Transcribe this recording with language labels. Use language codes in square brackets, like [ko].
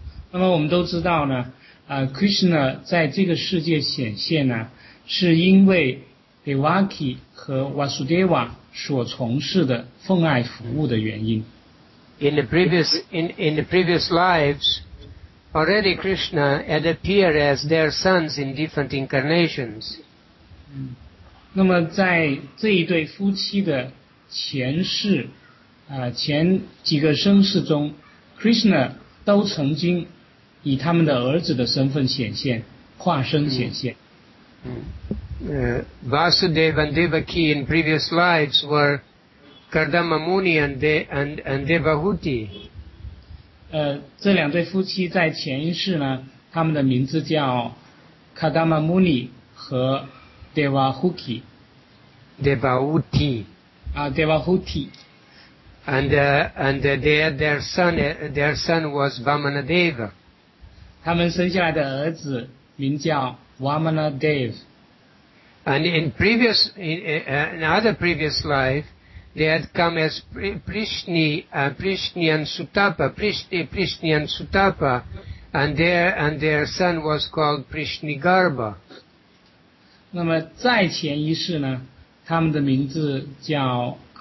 [zh] 那么我们都知道呢Krishna 在这个世界显现呢是因为 Devaki 和 Vasudeva 所从事的奉爱服务的原因。 [en] In the previous lives, already Krishna had appeared as their sons in different incarnations. [zh] 那么在这一对夫妻的前世前几个生世中 Krishna 都曾经以他们的儿子的身份显现化身显现。 [en] Vasudeva and Devaki in previous lives were Kardama Muni and Devahuti. [zh] 这两对夫妻在前一世呢他们的名字叫 Kardama Muni 和 Devahuti。 [en] Devahuti. Devahuti. And their son was Vamanadeva. [zh] 他们生下来的儿子名叫 Vamana Dev. [en] And in other previous life, they had come as Prishni and Sutapa, and their son was called Prishni Garba. [zh] 那么在前一世呢，他们的名字叫